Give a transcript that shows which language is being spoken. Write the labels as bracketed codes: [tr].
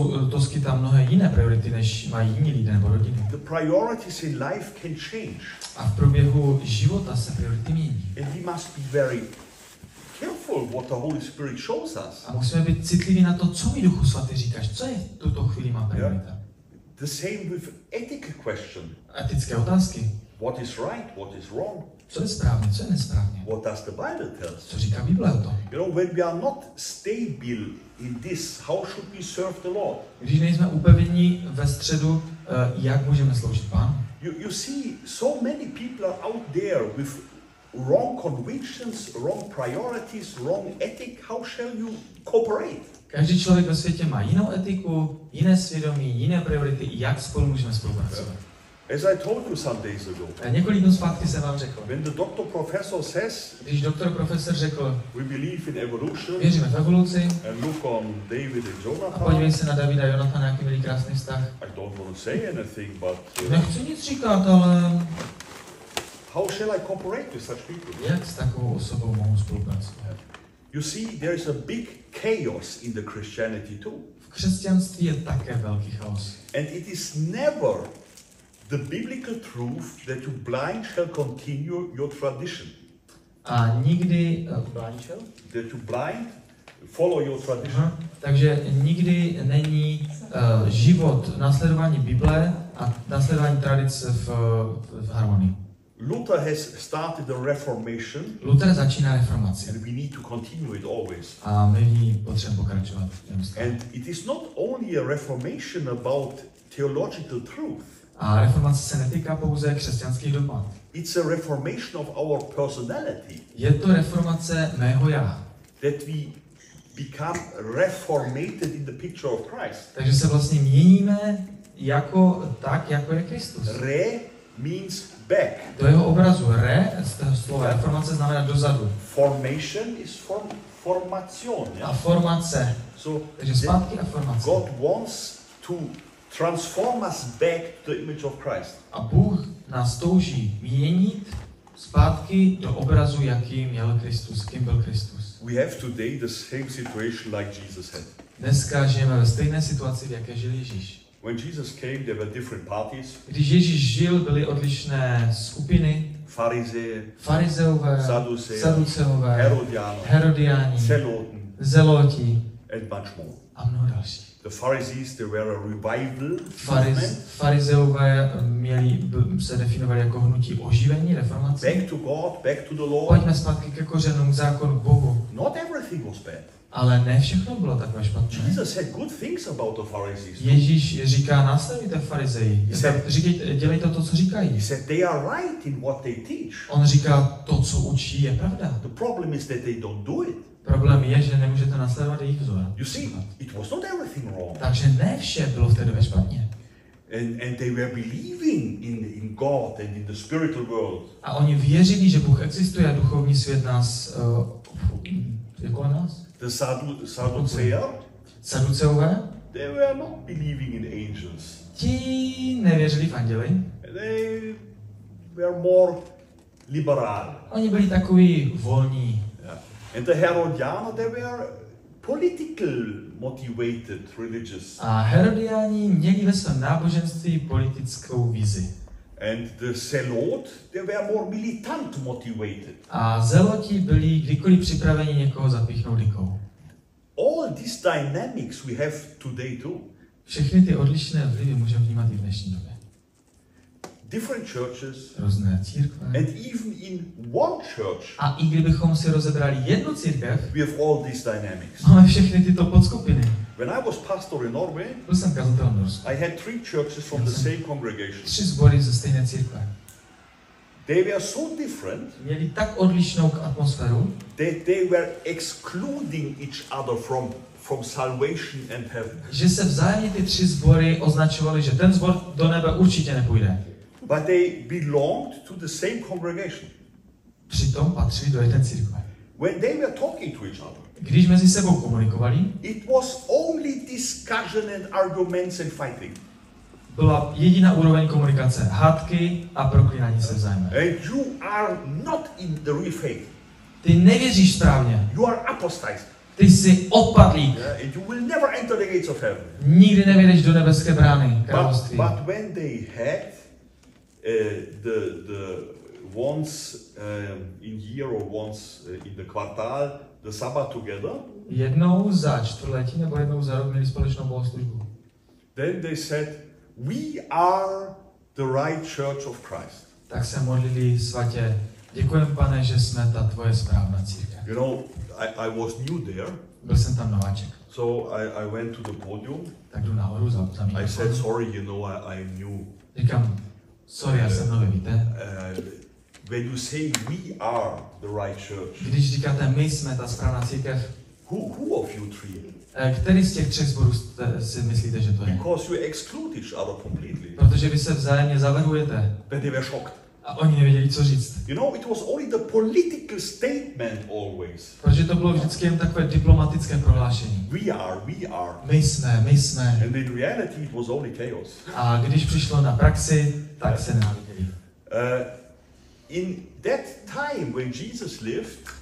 [cs] To skýtá mnohé jiné priority, než mají jiní lidé nebo rodiny. [en] The priorities in life can change. [cs] A v průběhu života se priority mění. [en] And we must be very careful what the Holy Spirit shows us. [cs] A musíme být citliví na to, co mi Duchu Svatý říkáš, co je tuto chvíli má priorita. Yeah. [en] The same with ethical question. [cs] Etické otázky. [en] What is right, what is wrong? [cs] Co je správně, co je nesprávně? [en] What does the Bible tell us? [cs] Co říká Bible o tom? [en] You know, when we are not stable in this, how should we serve the Lord? [cs] Když nejsme upevnění ve středu, jak můžeme sloužit Pánu? [en] You see, so many people are out there with wrong convictions, wrong priorities, wrong ethic. How shall you cooperate? [cs] Každý člověk ve světě má jinou etiku, jiné svědomí, jiné priority. Jak spolu můžeme spolupracovat? Yeah. [en] As I told you some days ago. [cs] A několik dnů zpátky jsem vám řekl. [en] When the doctor professor says, [cs] když doktor profesor řekl, [en] we believe in evolution. [cs] Věříme v evoluci. [en] And look on David and Jonathan. [cs] A podívej se na Davida a Jonathana, jaký byli krásný vztah. [en] I don't want to say anything, but. [cs] Nechci nic říkat, ale. [en] How shall I cooperate with such people? [cs] Jak s takovou osobou mohu spolupracovat? [en] You see, there is a big chaos in the Christianity too. [cs] V křesťanství je také velký chaos. [en] And it is never the biblical truth that you blind shall continue your tradition. [cs] A nikdy [en] blind shall? That you blind follow your tradition. Aha. [cs] Takže nikdy není život následování Bible a následování tradice v harmonii. [en] Luther has started the Reformation. [cs] Luther začíná reformaci. [en] And we need to continue it always. [cs] A my v ní potřebujeme pokračovat. [en] And it is not only a Reformation about theological truth. [cs] A reformace se netýká pouze křesťanských dogmat. [en] It's a reformation of our personality. [cs] Je to reformace mého já. [en] That we become reformated in the picture of Christ. [cs] Takže se vlastně měníme jako tak, jako je Kristus. [en] Re means back. [cs] Do jeho obrazu re, z toho slova reformace znamená dozadu. [en] Formation is formation. [cs] A formace. So, takže zpátky a formace. [en] God wants to transform us back to the image of Christ. [cs] A Bůh nás touží měnit zpátky do obrazu, jaký měl Kristus, kým byl Kristus. [en] We have today the same situation like Jesus had. [cs] Dneska žijeme ve stejné situaci, v jaké žil Ježíš. [en] When Jesus came, there were different parties. [cs] Když Ježíš žil, byly odlišné skupiny. Farizeové, Saduceové, Herodiáni, Zeloti [en] and much more. [cs] A mnoho další. [en] The Pharisees, they were a revival. [cs] Farizeové měli se definovali jako hnutí oživení, reformace. [en] Back to God, back to the Lord. [cs] Pojďme zpátky ke kořenům, k zákonu, k Bohu. [en] Not everything was bad. [cs] Ale ne všechno bylo takové špatné. [en] Jesus said good things about the Pharisees. [cs] Ježíš říká, následujte farizeji. Dělejte to, co říkají. [en] He said they are right in what they teach. [cs] On říká, to, co učí, je pravda. [en] The problem is that they don't do it. [cs] Problém je, že nemůžete následovat jejich vzor. [en] You see, it was not everything wrong. [cs] Takže ne vše bylo v té době špatně. [en] And they were believing in God and in the spiritual world. [cs] A oni věřili, že Bůh existuje a duchovní svět nás je kolem nás. [en] The Saduceové? They were not believing in angels. [cs] Ti nevěřili v anděli. [en] They were more liberal. [cs] Oni byli takový volní. Yeah. [en] And the Herodiana, they were political motivated religious. [cs] A Herodiani měli ve svém náboženství politickou vizi. [en] And the Zelot, they were more militant motivated. [cs] A Zeloti byli kdykoliv připraveni někoho zapíchnout dikou. [en] All these dynamics we have today too. [cs] Všechny ty odlišné vlivy můžeme vnímat i v dnešní době. [en] Different churches. [cs] Různé církve. [en] And even in one church. [cs] A i kdybychom si rozebrali jednu církev. [en] We have all these dynamics. [cs] Máme všechny tyto podskupiny. [en] When I was pastor in Norway. [cs] Byl jsem kazatel v Norsku. [en] I had three churches from the same congregation. [cs] Tři sbory ze stejné církve. [en] They were so different. [cs] Měli tak odlišnou atmosféru. [en] That they were excluding each other from salvation and heaven. [cs] Že se vzájemně ty tři sbory označovaly, že ten sbor do nebe určitě nepůjde. [en] But they belonged to the same congregation. [cs] Přitom patřili do jedné církve. [en] When they were talking to each other. [cs] Když mezi sebou komunikovali. [en] It was only discussion and arguments and fighting. [cs] Byla jediná úroveň komunikace, hádky a proklínání se vzájemně. [en] And you are not in the real faith. [cs] Ty nevěříš správně. [en] You are apostate. [cs] Ty jsi odpadlík. [en] And you will never enter the gates of heaven. [cs] Nikdy nevejdeš do nebeské brány království. [en] But when they had the once in year or once in the kvartál the sabbath together, [cs] jednou za čtvrtletí nebo jednou za rok měli společnou bohoslužbu, [en] then they said we are the right church of Christ. [cs] Tak se modlili svatě, děkujeme Pane, že jsme ta tvoje správná církev. [en] You know, I was new there. [cs] Byl jsem tam nováček. [en] So I went to the podium. [cs] Tak jdu nahoru za mikrofon. [en] I said sorry, you know, I am new. [cs] Říkám, sorry, já jsem nový, víte? [en] When you say we are the right church. [cs] Když říkáte, my jsme ta správná církev. [en] Who of you three? [cs] Který z těch třech zborů si myslíte, že to je? [en] Because you exclude each other completely. [cs] Protože vy se vzájemně zavrhujete. [en] But they were shocked. [cs] A oni nevěděli, co říct. [en] You know, it was only the political statement always. [cs] Protože to bylo vždycky jen takové diplomatické prohlášení. [en] We are, we are. [cs] My jsme, my jsme. [en] And in reality it was only chaos. [cs] A když přišlo na praxi, tak se nenáviděli. [en] In that time when Jesus lived,